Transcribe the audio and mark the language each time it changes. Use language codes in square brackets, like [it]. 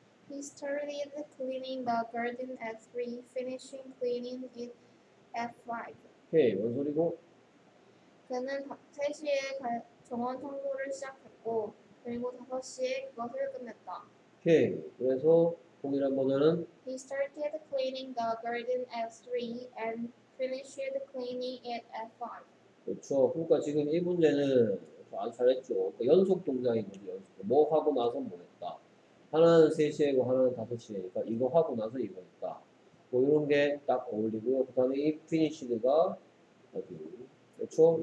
[en] He started cleaning the garden at 3, finishing cleaning it at 5. [ko] 오케이, 뭔 소리고? 그는 3시에 정원 청소를 시작했고 그리고 5시에 그것을 끝냈다. 오케이, 그래서 동일한 번호는 [en] He started cleaning the garden at 3 and finished cleaning it at 5. [ko] 그렇죠. 그러니까 지금 이 문제는 아주 잘했죠. 그러니까 연속 동작인 거죠. 뭐 하고 나서 뭐 했다. 하나는 3시에고 하나는 5시에니까 그러니까 이거 하고 나서 이거 했다. 뭐 이런 게 딱 어울리고요. 그 다음에 이 finished가 여기. 그렇죠.